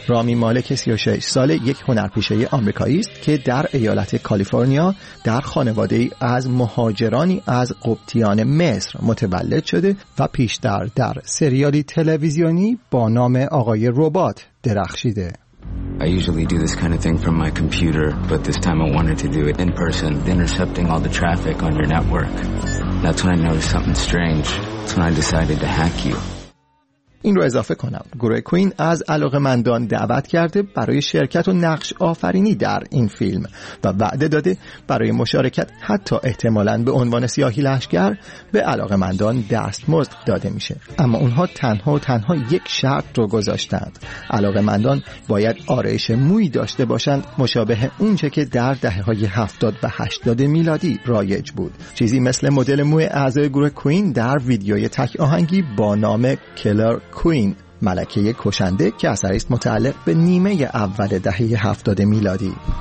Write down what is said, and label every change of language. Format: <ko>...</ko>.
<fa>رامی مالک 36 ساله یک هنرپیشه آمریکایی است که در ایالت کالیفرنیا در خانواده ای از مهاجرانی از قبطیان مصر متولد شده و پیشتر در سریالی تلویزیونی با نام آقای ربات درخشیده.</fa> <en>I usually do this kind of thing from my computer, but this time I wanted to do it in person, intercepting all the traffic on your network. That's when I noticed something strange. That's when I decided to hack you.</en> <fa>این رو اضافه کنم، گروه کوین از علاقه‌مندان دعوت کرده برای شرکت و نقش آفرینی در این فیلم و وعده داده برای مشارکت حتی احتمالاً به عنوان سیاهی لشکر به علاقه‌مندان دستمزد داده میشه، اما اونها تنها یک شرط رو گذاشتند، علاقه‌مندان باید آرایش موی داشته باشند مشابه اونچه که در دهه‌های 70 و 80 میلادی رایج بود، چیزی مثل مدل موی اعضای گروه کوین در ویدیوی تک آهنگی با نام کلر کوین، ملکه کشنده، که اثری است متعلق به نیمه اول دهه 70 میلادی.</fa>